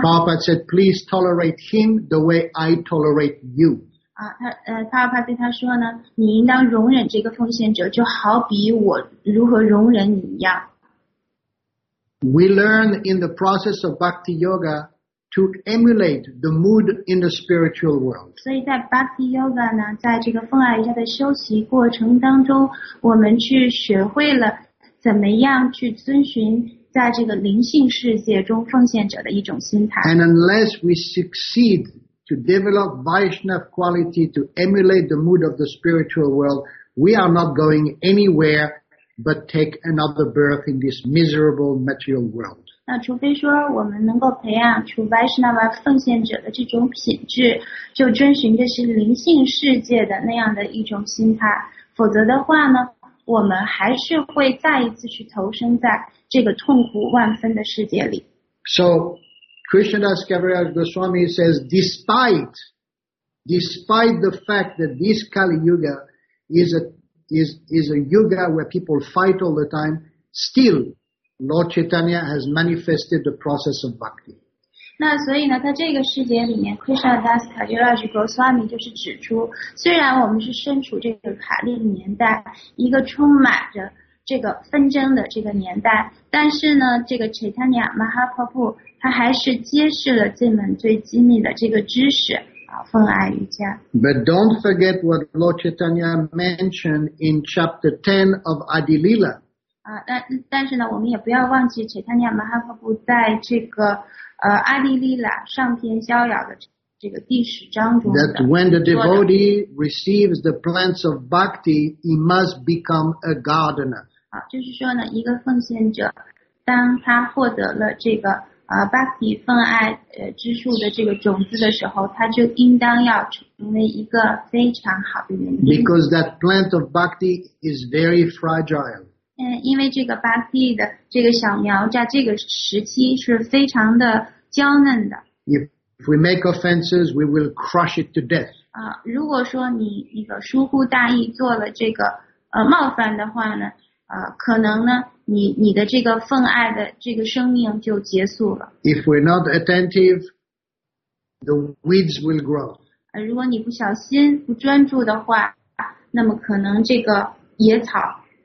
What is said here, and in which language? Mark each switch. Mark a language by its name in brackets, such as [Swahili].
[English] Prabhupada said, please tolerate him the way I tolerate you. [Chinese] Prabhupada 对他说呢，你应当容忍这个奉献者，就好比我如何容忍你一样。 [English] We learn in the process of bhakti yoga. To emulate the mood in the spiritual world. [Chinese] 所以在 Bhakti Yoga 呢，在这个风爱瑜伽的修习过程当中，我们去学会了怎么样去遵循在这个灵性世界中奉献者的一种心态。 [English] And unless we succeed to develop Vaishnava quality to emulate the mood of the spiritual world, we are not going anywhere but take another birth in this miserable material world. [Chinese] 那除非说我们能够培养出 Vaishnava 奉献者的这种品质，就遵循的是灵性世界的那样的一种心态，否则的话呢，我们还是会再一次去投身在这个痛苦万分的世界里。 [English] So Krishnadas Kaviraj Goswami says despite the fact that this Kali Yuga is a Yuga where people fight all the time, still Lord Chaitanya has manifested the process of bhakti. [Chinese] 那所以呢，在这个世界里面 ，Krishnadas Kaviraj Goswami 就是指出，虽然我们是身处这个卡利年代，一个充满着这个纷争的这个年代，但是呢，这个 Chaitanya Mahaprabhu 他还是揭示了这门最机密的这个知识啊，奉爱瑜伽。 [English] But don't forget what Lord Chaitanya mentioned in Chapter 10 of Adi Lila. [Chinese] 但是呢，我们也不要忘记 Chaitanya Mahaprabhu 在这个阿迪丽拉上篇逍遥的这个第十章中的。 [English] That when the devotee receives the plants of bhakti, he must become a gardener. [Chinese] 就是说呢，一个奉献者，当他获得了这个bhakti 奉爱之树的这个种子的时候，他就应当要成为一个非常好的园丁。 [English] Because that plant of bhakti is very fragile. [Chinese] 因为这个巴蒂的这个小苗在这个时期是非常的娇嫩的。 [English] If we make offenses, we will crush it to death. [Chinese] 如果说你那个疏忽大意做了这个冒犯的话呢，可能呢，你的这个奉爱的这个生命就结束了。 [English] If we're not attentive, the weeds will grow. [Chinese] 如果你不小心不专注的话，那么可能这个野草。